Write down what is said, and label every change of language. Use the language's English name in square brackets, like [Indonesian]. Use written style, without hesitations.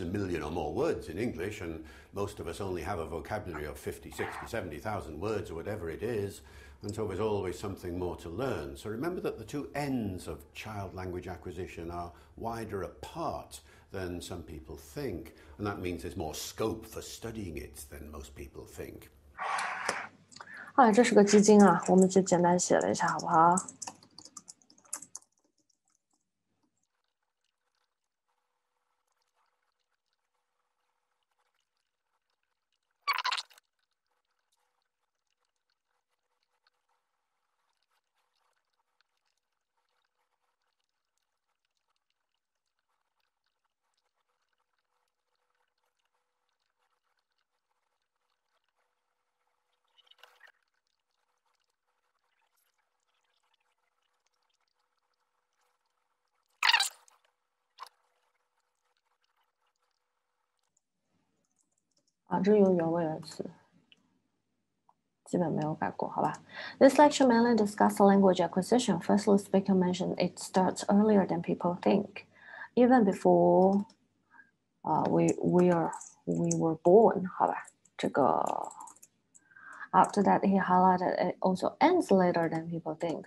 [English] A million or more words in English, and most of us only have a vocabulary of 50, 60, 70,000 words or whatever it is. And so there's always something more to learn. So remember that the two ends of child language acquisition are wider apart than some people think. And that means there's more scope for studying it than most people think. [Chinese] 啊，这是个基金啊，我们就简单写了一下，好不好？啊，这用原位元词，基本没有改过，好吧。 [English] This lecture mainly discusses language acquisition. Firstly, speaker mentioned it starts earlier than people think, even before, we were born, 好吧。这个 after that, he highlighted it also ends later than people think.